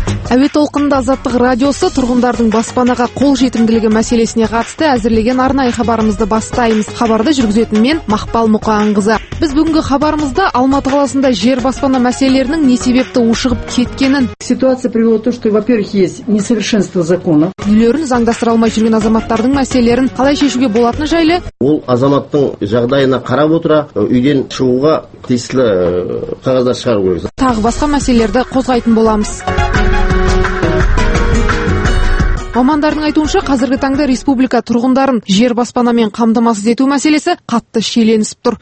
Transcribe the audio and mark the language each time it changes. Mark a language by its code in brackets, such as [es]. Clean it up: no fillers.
[kk] Әуе толқынында Азаттық радиосы тұрғындардың баспанаға қол жетімділігі мәселесіне қатысты әзірлеген арнайы хабарымызды бастаймыз. Хабарды жүргізетін мен Мақпал Мұқанқызы. Біз бүгінгі хабарымызда Алматы қаласында жер баспана мәселелерінің не себепті ушығып кеткенін. [ru] Ситуация привела то, что, во-первых, есть несовершенство закона. [kk] Үйлерін заңдастыра алмай жүрген азаматтардың мәселелерін қалай шешуге болатыны жайлы. Ол азаматтың жағдайына қарап отыра, үйден шығуға тиісті қағаздар шығару керек. Тағы басқа мәселелерді қозғайтын боламыз. Мамандардың айтуынша, қазіргі таңда республика тұрғындарын жер баспанамен қамтамасыз ету мәселесі қатты шиеленісіп тұр.